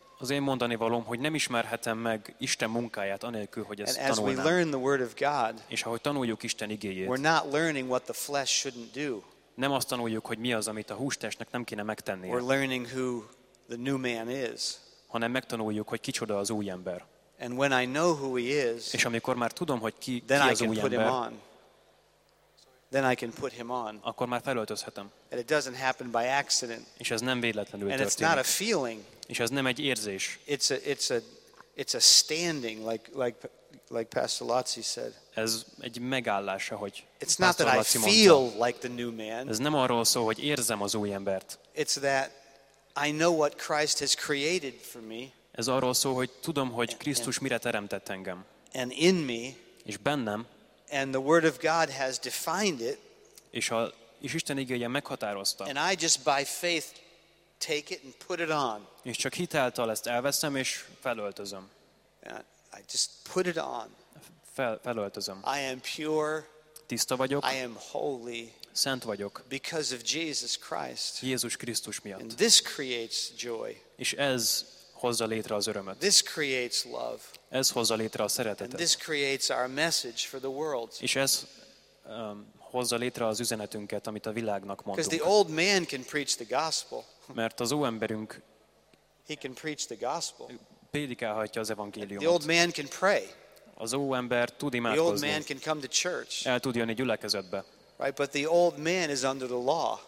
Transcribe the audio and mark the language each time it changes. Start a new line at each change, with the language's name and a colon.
Hungarian: Az én mondani valóm, hogy nem ismerhetem meg Isten munkáját anélkül, hogy ezt tanulnám.
English: And as we learn the word of God,
Hungarian: és ahogy tanuljuk Isten igéjét,
English: we're not learning what the flesh shouldn't do.
Hungarian: Nem azt tanuljuk, hogy mi az, amit a hústestnek nem kéne megtennie.
English: We're learning who the new man is.
Hungarian: Hanem megtanuljuk, hogy kicsoda az új ember.
English: And when I know who he is,
Hungarian: és amikor már tudom, hogy ki az új ember,
English: then I can put him on.
Hungarian: Akkor már felöltözhetem.
English: And it doesn't happen by accident.
Hungarian: És ez nem véletlenül történik.
English: And it's not a feeling.
Hungarian: És ez nem egy érzés.
English: It's a standing, like like Pastor Laci said.
Hungarian: Ez egy megállás, ahogy
English: it's not that I feel like the new man.
Hungarian: Ez nem arról szól, hogy érzem az új embert.
English: It's that I know what Christ has created for me.
Hungarian: Ez arról szól, hogy tudom, hogy Krisztus mire teremtett engem.
English: And in me.
Hungarian: És bennem.
English: And the Word of God has defined it.
Hungarian: És Isten igéje meghatározta.
English: And I just by faith take it and put it on.
Hungarian: És csak hitáltal ezt elveszem és felöltözöm.
English: I just put it on.
Hungarian: Felöltözöm.
English: I am pure.
Hungarian: Tiszta vagyok.
English: I am holy.
Hungarian: Szent vagyok.
English: Because of Jesus Christ.
Hungarian: Jézus Krisztus miatt.
English: And this creates joy.
Hungarian: És ez hozza létre az örömet.
English: This creates love.
Hungarian: Ez hozza létre a szeretetet.
English: And this creates our message for the world.
Hungarian: És ez hozza létre az üzenetünket, amit a világnak mondunk.
English: Because the old man can preach the gospel.
Hungarian: Mert az óemberünk
English: he can preach the gospel.
Hungarian: Prédikálhatja az evangéliumot.
English: The old man can pray.
Hungarian: Az óember tud imádkozni.
English: The old man can come to church.
Hungarian: El tud jönni gyülekezetbe.
English: Right, but the old man is under the law.